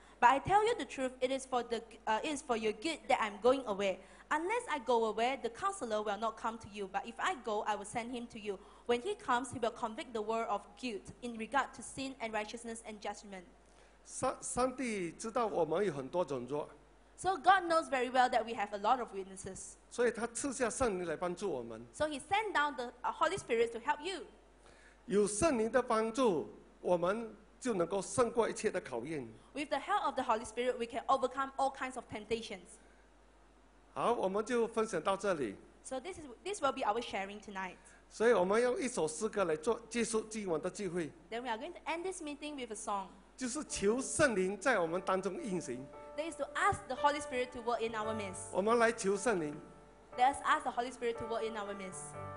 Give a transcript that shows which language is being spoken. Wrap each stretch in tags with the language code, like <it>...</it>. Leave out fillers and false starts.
<en>But I tell you the truth, it is for the it is for your good that I'm going away. Unless I go away, the counselor will not come to you. But if I go, I will send him to you. When he comes, he will convict the world of guilt in regard to sin and righteousness and judgment.</en> <zh>上帝知道我们有很多软弱。</zh> <en>So God knows very well that we have a lot of weaknesses.</en> <zh>所以他赐下圣灵来帮助我们。</zh> <en>So he sent down the Holy Spirit to help you.</en> <zh>有圣灵的帮助, 我们就能够胜过一切的考验。</zh> <en>With the help of the Holy Spirit, we can overcome all kinds of temptations.</en> <zh>好，我们就分享到这里。</zh> <en>So this will be our sharing tonight.</en> <zh>所以我们用一首诗歌来做结束今晚的聚会。</zh> <en>Then we are going to end this meeting with a song.</en> <zh>就是求圣灵在我们当中运行。</zh> <en>That is to ask the Holy Spirit to work in our midst.</en> <zh>我们来求圣灵。</zh> <en>Let us ask the Holy Spirit to work in our midst.</en>